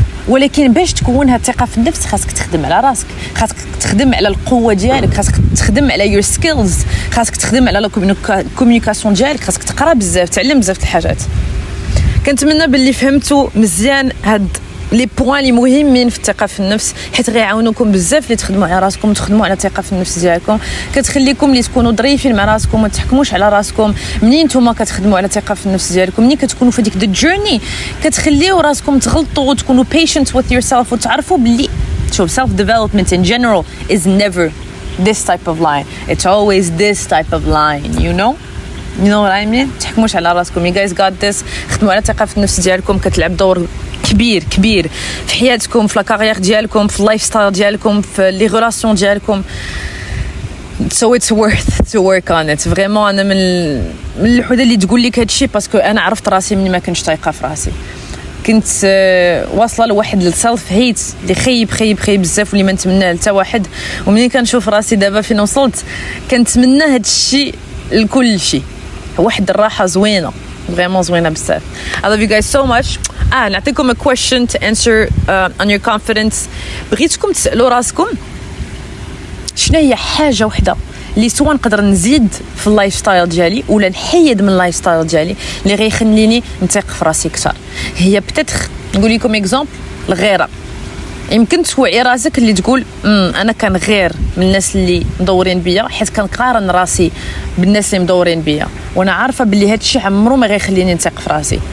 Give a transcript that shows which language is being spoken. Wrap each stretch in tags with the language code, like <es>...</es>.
<ar>ولكن باش تكون هاد الثقه في النفس خاصك تخدم على راسك، خاصك تخدم على القوه ديالك، خاصك تخدم على</ar> <en>your skills,</en> <ar>خاصك تخدم على الكوميونيكاسيون ديالك، خاصك تقرا بزاف، تعلم بزاف د الحاجات. كنتمنى باللي فهمتوا مزيان هاد</ar> <fr>لي بوين</fr> <ar>لي مهمين في الثقه في النفس، حيت غيعاونوكم بزاف اللي تخدموا على راسكم وتخدموا على الثقه في النفس ديالكم. كتخليكم اللي تكونوا ظريفين مع راسكم، ما تحكموش على راسكم. منين نتوما كتخدموا على الثقه في النفس ديالكم، منين كتكونوا في ديك دي جورني، كتخليوا راسكم تغلطوا وتكونوا</ar> <en>patient with yourself،</en> <ar>وتعرفوا باللي شوف</ar> <en>self development in general is never this type of line, it's always this type of line, you know what I mean.</en> <ar>تحكموش على راسكم،</ar> <en>you guys got this.</en> <ar>خدموا على الثقه في النفس ديالكم، كتلعب دور كبير كبير في حياتكم، في لاكارير ديالكم، في اللايف ستايل ديالكم، في لي غولاسيون ديالكم.</ar> <en>So it's worth to work on it.</en> <ar>فريمون انا من الحدا اللي تقول لك هادشي، باسكو انا عرفت راسي مني ما كنتش طايقه في راسي، كنت واصله لواحد</ar> <en>السلف هيت</en> <ar>اللي خيب خيب خيب بزاف، واللي ما نتمناه حتى واحد. ومنين كنشوف راسي دابا فين وصلت، كنتمنى هادشي لكل شيء، واحد الراحه زوينه vraiment زوينه بزاف.</ar> <en>I love you guys so much. نعطيكم a question to answer on your confidence.</en> <ar>بغيتكم تسألوا راسكم شنو هي حاجة واحدة اللي سواء نقدر نزيد في اللايف ستايل ديالي ولا نحيد من اللايف ستايل ديالي اللي غيخليني نثق في راسي كثر. هي بتتخ نقول لكم اكزامبل الغيرة. يمكن توعي راسك اللي تقول انا كان غير من الناس اللي مدورين بيا، حيت كنقارن راسي بالناس اللي مدورين بيا، وانا عارفه بلي هادشي عمرو ما غيخليني نثق في راسي.</ar>